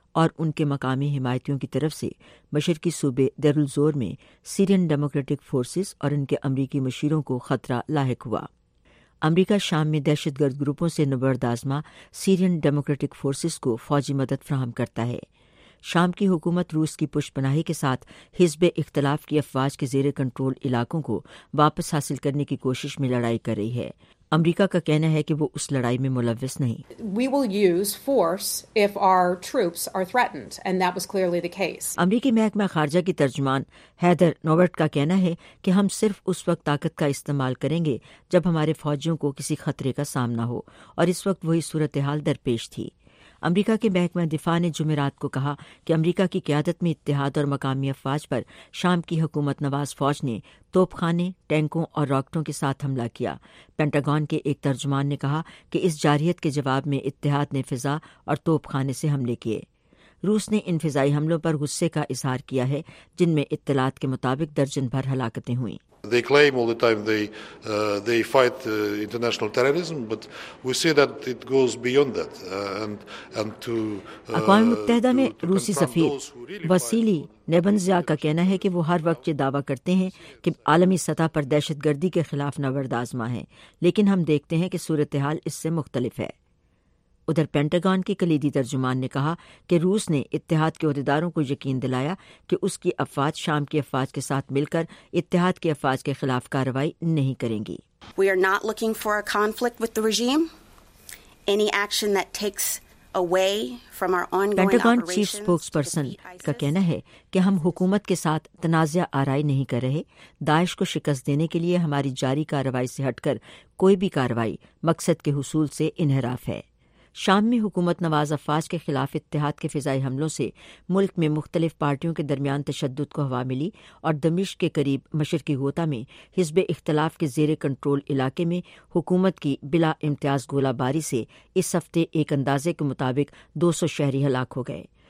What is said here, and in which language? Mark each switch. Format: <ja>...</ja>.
<ur>اور ان کے مقامی حمایتیوں کی طرف سے مشرقی صوبے دارالزور میں سیرین ڈیموکریٹک فورسز اور ان کے امریکی مشیروں کو خطرہ لاحق ہوا۔ امریکہ شام میں دہشت گرد گروپوں سے نبردازمہ سیرین ڈیموکریٹک فورسز کو فوجی مدد فراہم کرتا ہے۔ شام کی حکومت روس کی پشت پناہی کے ساتھ حزب اختلاف کی افواج کے زیر کنٹرول علاقوں کو واپس حاصل کرنے کی کوشش میں لڑائی کر رہی ہے۔ امریکہ کا کہنا ہے کہ وہ اس لڑائی میں ملوث نہیں۔</ur> <en>We will use force if our troops are threatened, and that was clearly the case.</en> <ur>امریکی محکمہ خارجہ کی ترجمان ہیدر نوورٹ کا کہنا ہے کہ ہم صرف اس وقت طاقت کا استعمال کریں گے جب ہمارے فوجیوں کو کسی خطرے کا سامنا ہو، اور اس وقت وہی صورتحال درپیش تھی۔ امریکہ کے محکمہ دفاع نے جمعرات کو کہا کہ امریکہ کی قیادت میں اتحاد اور مقامی افواج پر شام کی حکومت نواز فوج نے توپ خانے، ٹینکوں اور راکٹوں کے ساتھ حملہ کیا۔ پینٹاگون کے ایک ترجمان نے کہا کہ اس جارحیت کے جواب میں اتحاد نے فضا اور توپ خانے سے حملے کیے۔ روس نے ان فضائی حملوں پر غصے کا اظہار کیا ہے، جن میں اطلاعات کے مطابق درجن بھر ہلاکتیں ہوئیں۔</ur> <en>They claim all the time they fight international terrorism, but we see that it goes beyond that.</en> <ur>اقوام متحدہ میں روسی سفیر وسیلی نیبنزیا کا کہنا ہے کہ وہ ہر وقت یہ دعویٰ کرتے ہیں کہ عالمی سطح پر دہشت گردی کے خلاف نبردازمہ ہے، لیکن ہم دیکھتے ہیں کہ صورتحال اس سے مختلف ہے۔ ادھر پینٹاگون کے کلیدی ترجمان نے کہا کہ روس نے اتحاد کے عہدیداروں کو یقین دلایا کہ اس کی افواج شام کی افواج کے ساتھ مل کر اتحاد کی افواج کے خلاف کارروائی نہیں کریں گی۔</ur> <en>We are not looking for a conflict with the regime. Any action that takes away from our ongoing</en> <ur>Pentagon chief spokes person کا کہنا ہے کہ ہم حکومت کے ساتھ تنازعہ آرائی نہیں کر رہے۔ داعش کو شکست دینے کے لیے ہماری جاری کارروائی سے ہٹ کر کوئی بھی کارروائی مقصد کے حصول سے انحراف ہے۔ شام میں حکومت نواز افواج کے خلاف اتحاد کے فضائی حملوں سے ملک میں مختلف پارٹیوں کے درمیان تشدد کو ہوا ملی، اور دمشق کے قریب مشرقی غوطہ میں حزب اختلاف کے زیر کنٹرول علاقے میں حکومت کی بلا امتیاز گولہ باری سے اس ہفتے ایک اندازے کے مطابق 200 شہری ہلاک ہو گئے۔</ur>